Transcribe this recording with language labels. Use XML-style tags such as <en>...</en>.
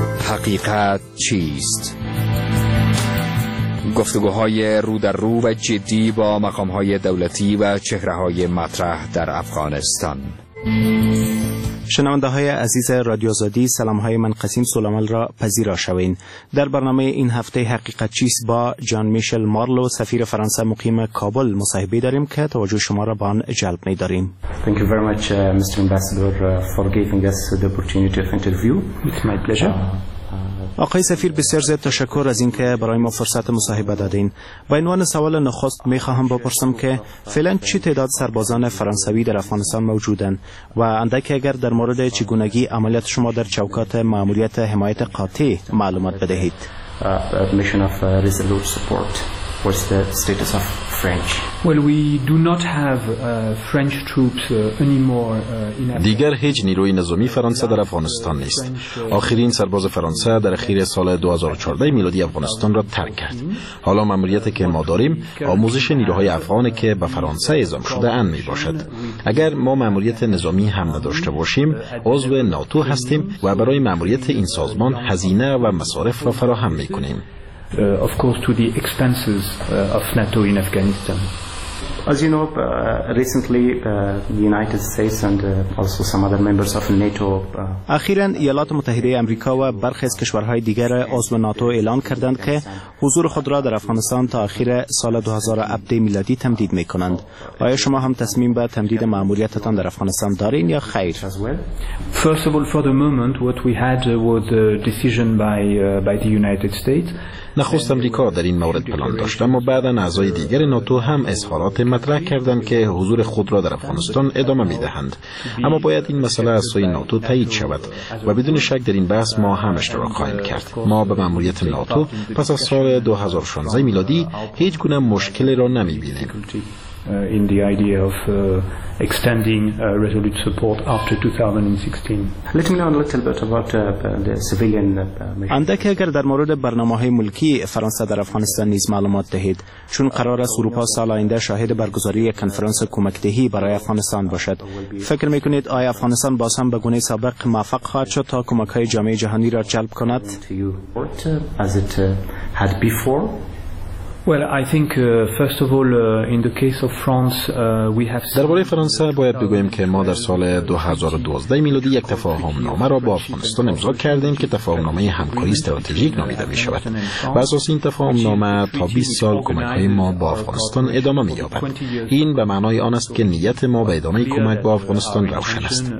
<fa>حقیقت چیست؟ گفتگوهای رو در رو و جدی با مقامهای دولتی و چهرههای مطرح در افغانستان. شنونده های عزیز رادیو آزادی، سلام های من قسیم سلامل را پذیرا شوین. در برنامه این هفته حقیقت چیست با جان میشل مارلو، سفیر فرانسه مقیم کابل مصاحبه داریم که توجه شما را به آن جلب می داریم.</fa> <en>Thank you very much Mr. Ambassador for giving us the opportunity of interview. It's my pleasure.</en> <fa>آقای سفیر، بسیار زیاد تشکر از اینکه برای ما فرصت مصاحبه دادین. با عنوان سوال نخست میخواهم بپرسم که فعلا چه تعداد سربازان فرانسوی در افغانستان موجودند و اندک اگر در مورد چگونگی عملیات شما در چوکات ماموریت حمایت قاطع معلومات بدهید.</fa> <en>Mission of Resolute Support. What's the status of French? Well, we do not have French troops anymore in Africa.</en> <fa>دیگر هیچ نیروی نظامی فرانسه در افغانستان نیست. آخرین سرباز فرانسه در اخیر سال 2014 میلادی افغانستان را ترک کرد. حالا ماموریتی که ما داریم آموزش نیروهای افغان که به فرانسه اعزام شده اند می باشد. اگر ما ماموریت نظامی هم نداشته باشیم، عضو ناتو هستیم و برای ماموریت این سازمان هزینه و مصارف را فراهم می کنیم.</fa> <en>Of course, to the expenses of NATO in Afghanistan. As you know, recently the United States and also some other members of NATO.</en> <fa>اخیراً ایالات متحده آمریکا و برخی از کشورهای دیگر عضو ناتو اعلان کردند که حضور خود را در افغانستان تا آخر سال 2070 میلادی تمدید می‌کنند. آیا شما هم تصمیم به تمدید ماموریتتان در افغانستان دارین یا خیر؟</fa> <en>First of all, for the moment, what we had was a decision by the United States.</en> <fa>نخست آمریکا در این مورد پلان داشت، اما بعداً اعضای دیگر ناتو هم اظهارات مطرح کردند که حضور خود را در افغانستان ادامه می دهند. اما باید این مسئله از سوی ناتو تایید شود و بدون شک در این بحث ما هم اشتراک خواهیم کرد. ما به ماموریت ناتو پس از سال 2016 میلادی هیچ گونه مشکلی را نمی بینیم.</fa> <en>In the idea of extending resolute support after 2016. Let me know a little bit about the civilian mission.</en> <fa>اندکه اگر در مورد برنامه‌های ملکی فرانسه در افغانستان نیز معلومات دهید، چون قرار است اروپا سال آینده شاهد برگزاری یک کنفرانس کمک‌دهی برای افغانستان باشد. فکر می‌کنید آیا افغانستان باز هم به گونه سابق موفق خواهد شد تا کمک‌های جامعه جهانی را جلب کند؟</fa> <en>As it had before. Well, I think first of all in the case of France we have</en> <fa>در باره فرانسه باید بگویم که ما در سال 2012 میلادی یک تفاهم‌نامه را با افغانستان امضا کردیم که تفاهم‌نامه همکاری استراتژیک نامیده می‌شود. بر اساس این تفاهم‌نامه تا 20 سال کمک‌های ما با افغانستان ادامه می‌یابد. این به معنای آن است که نیت ما به ادامه کمک با افغانستان روشن است.</fa>